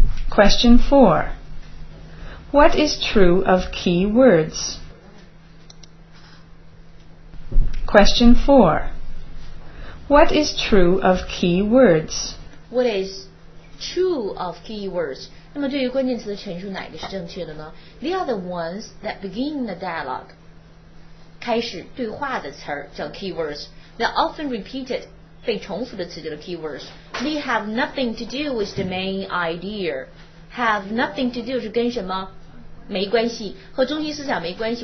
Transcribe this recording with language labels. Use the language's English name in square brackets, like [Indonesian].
[English] Question 4. What is true of key words? Question 4. What is true of key words? What is true of key words? [Chinese] 那么对于关键词的陈述哪个是正确的呢? [English] The other ones that begin the dialogue, [Chinese] 开始对话的词叫 [English] key words, they're often repeated. [Chinese] 被重复的词叫 [English] keywords. They have nothing to do with the main idea. Have nothing to do [Chinese] 是跟什么？没关系，和中心思想没关系。